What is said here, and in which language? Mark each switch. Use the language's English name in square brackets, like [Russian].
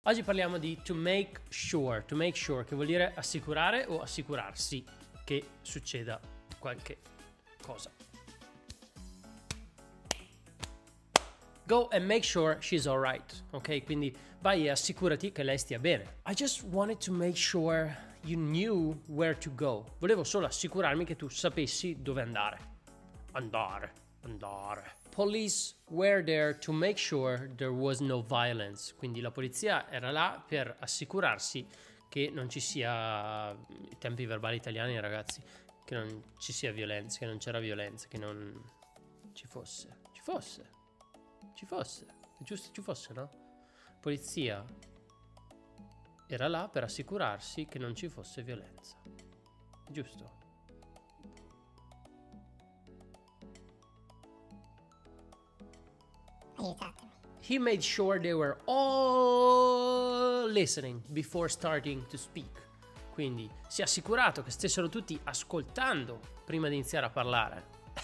[Italian] Oggi parliamo di [English] to make sure, [Italian] che vuol dire assicurare o assicurarsi che succeda qualche cosa. [English] Go and make sure she's all right, ok? [Italian] Quindi vai e assicurati che lei stia bene. [English] I just wanted to make sure you knew where to go. [Italian] Volevo solo assicurarmi che tu sapessi dove andare. Andare. [English] Police were there to make sure there was no violence. [Italian] Quindi la polizia era là per assicurarsi che non ci sia... tempi verbali italiani, ragazzi. Che non ci sia violenza, che non c'era violenza, che non ci fosse. Ci fosse. È giusto, ci fosse, no? Polizia era là per assicurarsi che non ci fosse violenza. Giusto? [English] He made sure they were all listening before starting to speak. [Italian] Quindi si è assicurato che stessero tutti ascoltando prima di iniziare a parlare.